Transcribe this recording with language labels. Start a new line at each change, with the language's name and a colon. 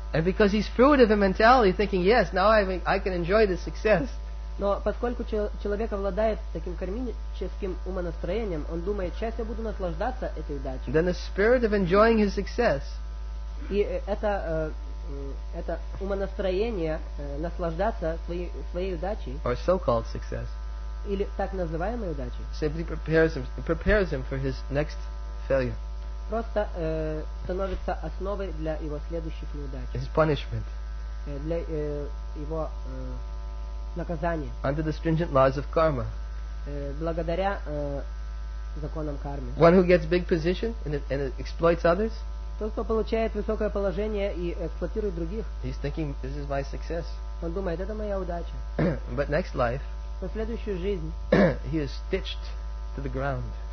English: And because he's fruit of the mentality, thinking, yes, now I can enjoy the success.
Russian: Но поскольку человек обладает таким кармическим умонастроением, он думает, сейчас я буду наслаждаться этой удачей.
English: Then the spirit of enjoying his success.
Russian: И это умонастроение наслаждаться своей удачей.
English: Or so-called success.
Russian: Или так называемой удачей.
English: Simply prepares him for his next failure.
Russian: Просто становится основой для его следующих неудач.
English: His punishment.
Russian: Для его наказание.
English: Under the stringent laws of karma.
Russian: Благодаря законам кармы.
English: One who gets big position and exploits others.
Russian: Тот, кто получает высокое положение и эксплуатирует других.
English: He's thinking, this is my success.
Russian: Он думает, это моя удача.
English: But next life.
Russian: На следующую жизнь.
English: He is stitched to the ground.